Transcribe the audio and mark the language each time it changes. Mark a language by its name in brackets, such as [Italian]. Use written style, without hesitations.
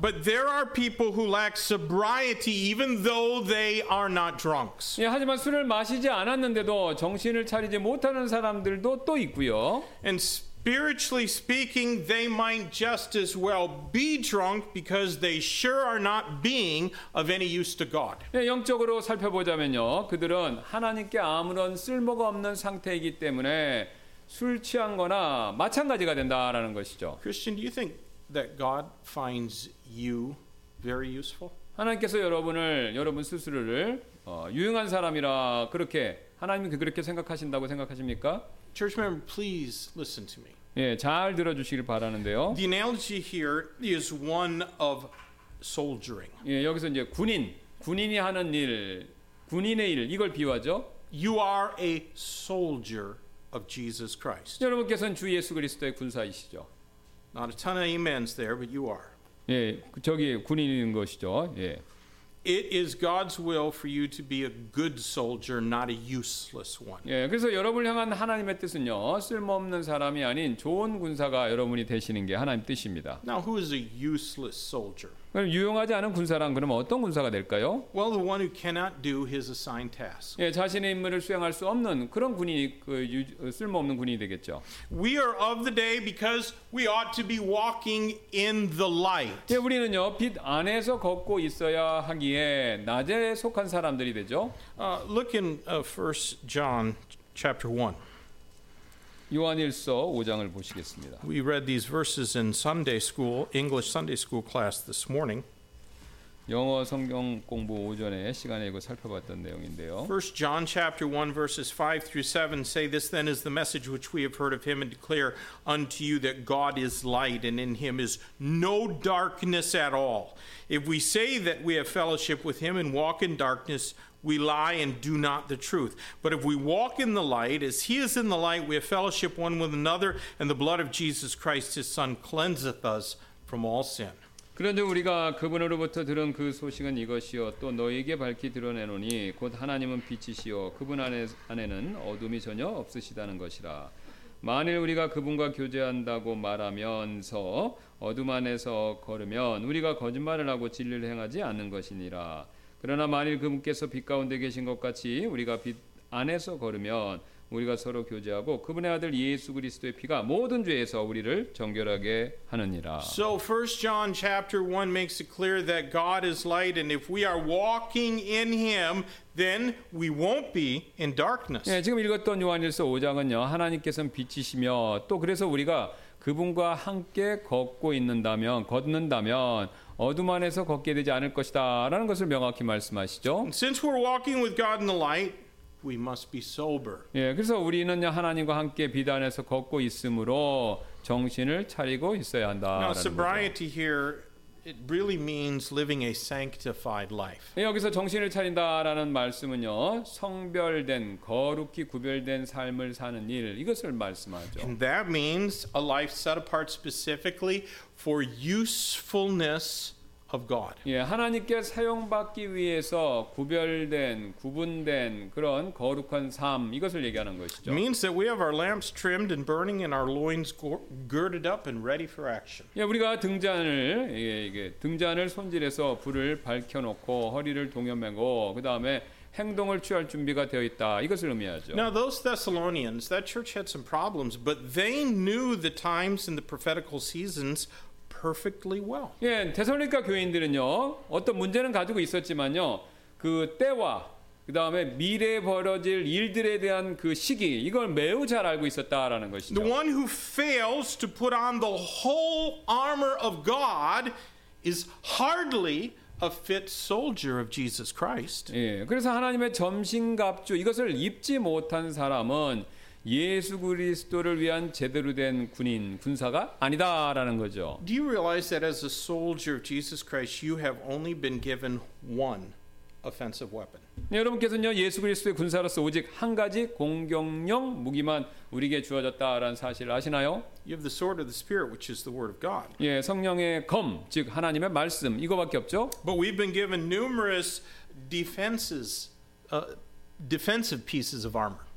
[English] But there are people who lack sobriety even though they are not drunks. [Korean] 예, 하지만 술을 마시지 않았는데도 정신을 차리지 못하는 사람들도 또 있고요. [English] And spiritually speaking, they might just as well be drunk because they sure are not being of any use to God. [Korean] 예, 영적으로 살펴보자면요, 그들은 하나님께 아무런 쓸모가 없는 상태이기 때문에 술 취한거나 마찬가지가 된다라는 것이죠. [English] Christian, do you think that God finds you very useful? [Korean] 하나님께서 여러분을 여러분 스스로를 유용한 사람이라 그렇게 하나님이 그렇게 생각하신다고 생각하십니까? [English] Church member, please listen to me. [Korean] 예, 잘 들어주시길 바라는데요. [English] The analogy here is one of soldiering. [Korean] 예, 여기서 이제 군인이 하는 일, 군인의 일 이걸 비유하죠. [English] You are a soldier of Jesus Christ. [Korean] 여러분께서는 주 예수 그리스도의 군사이시죠. [English] Not a ton of amens there, but you are. [Korean] 예, 저기 군인인 것이죠. 예. [English] It is God's will for you to be a good soldier, not a useless one. [Korean] 예, 그래서 여러분을 향한 하나님의 뜻은요, 쓸모없는 사람이 아닌 좋은 군사가 여러분이 되시는 게 하나님 뜻입니다. [English] Now, who is a useless soldier? [Korean] 그럼 유용하지 않은 군사란 그러면 어떤 군사가 될까요? [English] Well, the one who cannot do his assigned task. [Korean] 예, 자신의 임무를 수행할 수 없는 그런 군인이 쓸모없는 군인이 되겠죠. [English] We are of the day because we ought to be walking in the light. [Korean] 예, 우리는요 빛 안에서 걷고 있어야 하기에 낮에 속한 사람들이 되죠. [English] Look in 1 John chapter 1. [Korean] 요한일서 5장을 보시겠습니다. [English] We read these verses in Sunday school, English Sunday school class this morning. [Korean] 영어 성경 공부 오전에 시간에 이거 살펴봤던 내용인데요. [English] 1 John chapter 1 verses 5 through 7 say this then is the message which we have heard of him and declare unto you that God is light and in him is no darkness at all. If we say that we have fellowship with him and walk in darkness, we lie and do not the truth. But if we walk in the light, as he is in the light, we have fellowship one with another, and the blood of Jesus Christ, his son, cleanseth us from all sin. [Korean] 그런데 우리가 그분으로부터 들은 그 소식은 이것이요 또 너희에게 밝히 드러내노니 곧 하나님은 빛이시요 그분 안에는 어둠이 전혀 없으시다는 것이라. 만일 우리가 그분과 교제한다고 말하면서 어둠 안에서 걸으면 우리가 거짓말을 하고 진리를 행하지 않는 것이니라. 그러나 만일 그분께서 빛 가운데 계신 것 같이 우리가 빛 안에서 걸으면 우리가 서로 교제하고 그분의 아들 예수 그리스도의 피가 모든 죄에서 우리를 정결하게 하느니라. [English] So 1 John chapter 1 makes it clear that God is light and if we are walking in him then we won't be in darkness. [Korean] 예, 지금 읽었던 요한일서 5장은요. 하나님께서는 빛이시며 또 그래서 우리가 그분과 함께 걷고 있는다면 걷는다면 어둠 안에서 걷게 되지 않을 것이다라는 것을 명확히 말씀하시죠. [English] And since we're walking with God in the light we must be sober. [Korean] 예, 그래서 우리는요 하나님과 함께 빛 안에서 걷고 있으므로 정신을 차리고 있어야 한다라는 거죠. [English] Now sobriety here it really means living a sanctified life. [Korean] 예, 여기서 정신을 차린다라는 말씀은요 성별된 거룩히 구별된 삶을 사는 일 이것을 말씀하죠. [English] And that means a life set apart specifically for usefulness. Of God. [Korean] 예, 하나님께 사용받기 위해서 구별된 구분된 그런 거룩한 삶 이것을 얘기하는 것이죠. [English] It means that we have our lamps trimmed and burning and our loins girded up and ready for action. [Korean] 예, 우리가 등잔을 이게 등잔을 손질해서 불을 밝혀 놓고 허리를 동여매고 그다음에 행동을 취할 준비가 되어 있다. 이것을 의미하죠. [English] Now those Thessalonians, that church had some problems, but they knew the times and the prophetical seasons perfectly well. [Korean] 예, 데살로니가 교인들은요. 어떤 문제는 가지고 있었지만요. 그 때와 그다음에 미래에 벌어질 일들에 대한 그 시기 이걸 매우 잘 알고 있었다라는 것이죠. [English] The one who fails to put on the whole armor of God is hardly a fit soldier of Jesus Christ. [Korean] 예. 그래서 하나님의 전신갑주 이것을 입지 못한 사람은 예수 그리스도를 위한 제대로 된 군인 군사가 아니다라는 거죠. [English] Do you realize that as a soldier of Jesus Christ, you have only been given one offensive weapon? [Korean] 네, 여러분께서는요 예수 그리스도의 군사로서 오직 한 가지 공격용 무기만 우리에게 주어졌다라는 사실을 아시나요? [English] You have the sword of the Spirit, which is the word of God. [Korean] 예, 성령의 검, 즉 하나님의 말씀 이거밖에 없죠. [English] But we've been given numerous defenses, defensive pieces of armor.